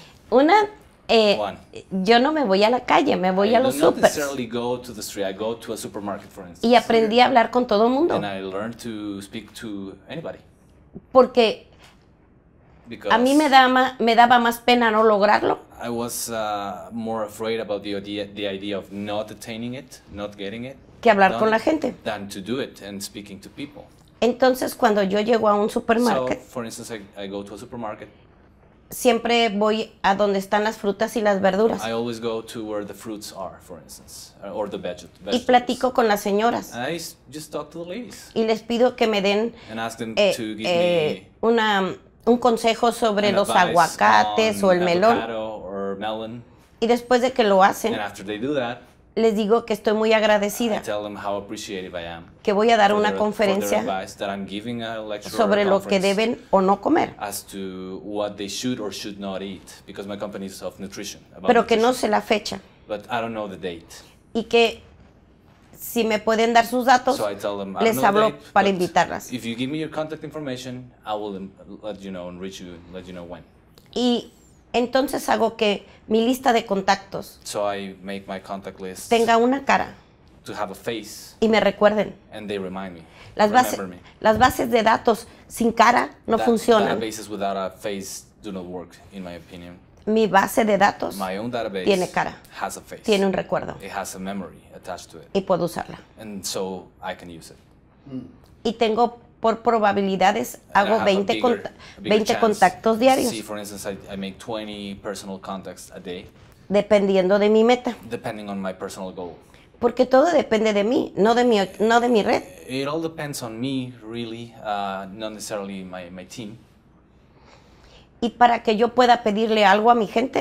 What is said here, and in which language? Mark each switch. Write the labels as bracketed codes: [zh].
[es] Una, yo no me voy a la calle, me voy [en] I [es] a los supers. [en] I don't necessarily go to the street, I go to a supermarket, for instance. [es] Y aprendí a hablar con todo mundo. [en] And I learned to speak to anybody. [es] Porque [en] because [es] a mí me daba más pena no lograrlo. [en] I was more afraid about the idea of not attaining it, not getting it. [es] Que hablar con la gente. [en] Than to do it and speaking to people. [es] Entonces, cuando yo llego a un supermarket. [en] So, for instance, I go to a supermarket. [es] Siempre voy a donde están las frutas y las verduras. [en] I always go to where the fruits are, for instance, or the vegetables. [es] Y platico con las señoras. [en] And I just talk to the ladies. [es] Y les pido que me den [en] and ask them to give me [es] una un consejo sobre los aguacates o el melón. [en] Melon. [es] Y después de que lo hacen, [en] and after they do that, [es] les digo que estoy muy agradecida. [en] I tell them how appreciative I am [es] que voy a dar una conferencia [en] that I'm giving a lecture [es] sobre lo que deben o no comer. [en] As to what they should or should not eat, because my company is of nutrition. About [es] pero [en] nutrition. [es] Que no sé la fecha. [en] But I don't know the date. [es] Y que si me pueden dar sus datos, [en] so I tell them, [es] les [en] I don't [es] hablo [en] know the date, [es] para invitarlas. [en] If you give me your contact information, I will let you know and reach you, let you know when. [es] Y entonces hago que mi lista de contactos [en] so I make my contact list [es] tenga una cara. [en] To have a face. [es] Y me recuerden. [en] And they remind me. [es] Las bases [en] remember me. [es] Las bases de datos sin cara no [en] that, [es] funcionan. [en] Databases without a face do not work, in my opinion. [es] Mi base de datos [en] my own database [es] tiene cara. [en] Has a face. [es] Tiene un recuerdo. [en] It has a memory attached to it. [es] Y puedo usarla. [en] And so I can use it. [es] Y tengo por probabilidades [en] and [es] hago 20, [en] bigger, [es] 20 contactos diarios. [en] See, for instance, I make 20 personal contacts a day. [es] Dependiendo de mi meta. [en] Depending on my personal goal. [es] Porque todo depende de mí, no de mi, no de mi red. [en] It all depends on me, really, not necessarily my team. [es] Y para que yo pueda pedirle algo a mi gente,